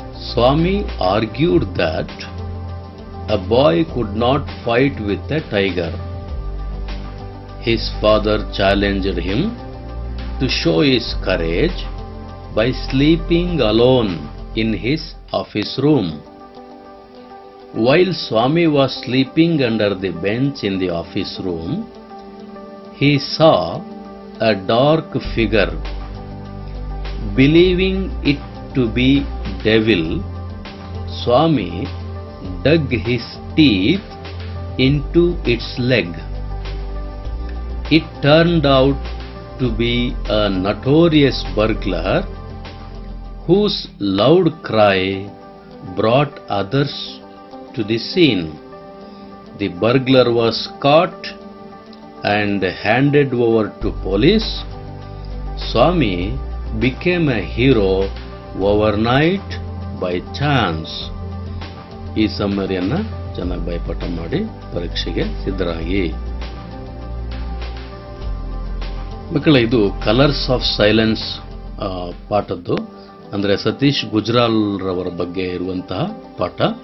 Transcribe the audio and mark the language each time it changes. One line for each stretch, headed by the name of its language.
English: Swami argued that a boy could not fight with a tiger. His father challenged him to show his courage by sleeping alone in his office room. While Swami was sleeping under the bench in the office room, he saw a dark figure. Believing it to be devil, Swami dug his teeth into its leg. It turned out to be a notorious burglar whose loud cry brought others to the scene. The burglar was caught and handed over to police. Swami became a hero overnight by chance.
Kannada: ಈ ಸಮ್ಮರಿಯನ್ನು ಚೆನ್ನಾಗಿ ಭಯಪಟ್ಟ ಮಾಡಿ ಪರೀಕ್ಷೆಗೆ ಸಿದ್ಧರಾಗಿ. ಮಕ್ಕಳ ಇದು colours of silence ಪಾಠದ್ದು, ಅಂದರೆ ಸತೀಶ್ ಗುಜ್ರಾಲ್ರವರ ಬಗ್ಗೆ ಇರುವಂತಹ ಪಾಠ.